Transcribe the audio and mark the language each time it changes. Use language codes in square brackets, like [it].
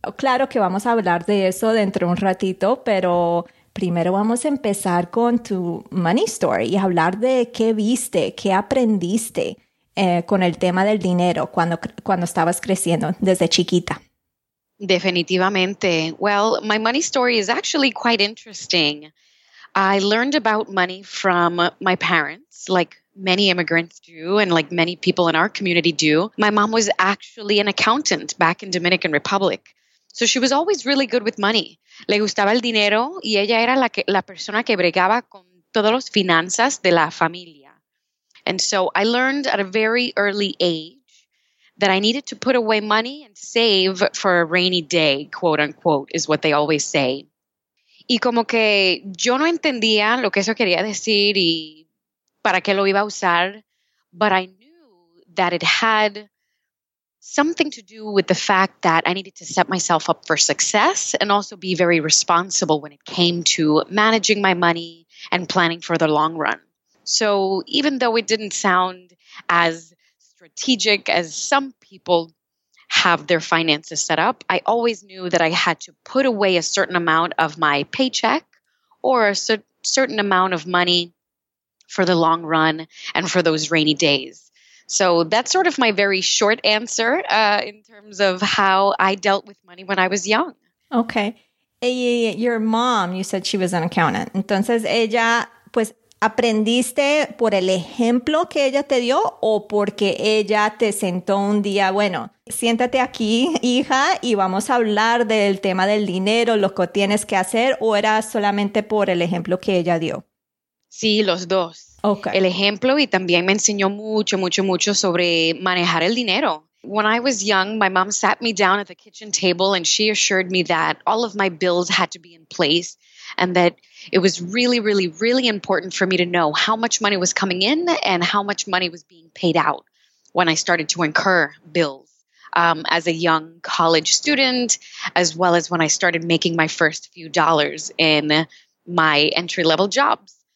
[es] Claro que vamos a hablar de eso dentro de un ratito, pero primero vamos a empezar con tu [en] money story [es] y hablar de qué viste, qué aprendiste con el tema del dinero cuando estabas creciendo desde chiquita. Definitivamente. [en] Well, my money story is actually quite interesting. I learned about money from my parents, like many immigrants do, and like many people in our community do. My mom was actually an accountant back in Dominican Republic. So she was always really good with money. [es] Le gustaba el dinero y ella era la persona que bregaba con todos los finanzas de la familia. [en] And so I learned at a very early age that I needed to put away money and save for a rainy day, quote unquote, is what they always say. [es] Y como que yo no entendía lo que eso quería decir y para qué lo iba a usar, [en] but I knew that it had something to do with the fact that I needed to set myself up for success and also be very responsible when it came to managing my money and planning for the long run. So even though it didn't sound as strategic as some people have their finances set up, I always knew that I had to put away a certain amount of my paycheck or a certain amount of money for the long run and for those rainy days. So that's sort of my very short answer in terms of how I dealt with money when I was young. Okay. Your mom, you said she was an accountant. [es] Entonces, ella, pues, ¿aprendiste por el ejemplo que ella te dio o porque ella te sentó un día, bueno, siéntate aquí, hija, y vamos a hablar del tema del dinero, lo que tienes que hacer, o era solamente por el ejemplo que ella dio? Sí, los dos. Okay. El ejemplo, y también me enseñó mucho, mucho, mucho sobre manejar el dinero. [en] When I was young, my mom sat me down at the kitchen table and she assured me that all of my bills had to be in place and that it was really, really, really important for me to know how much money was coming in and how much money was being paid out when I started to incur bills as a young college student, as well as when I started making my first few dollars in my entry-level jobs.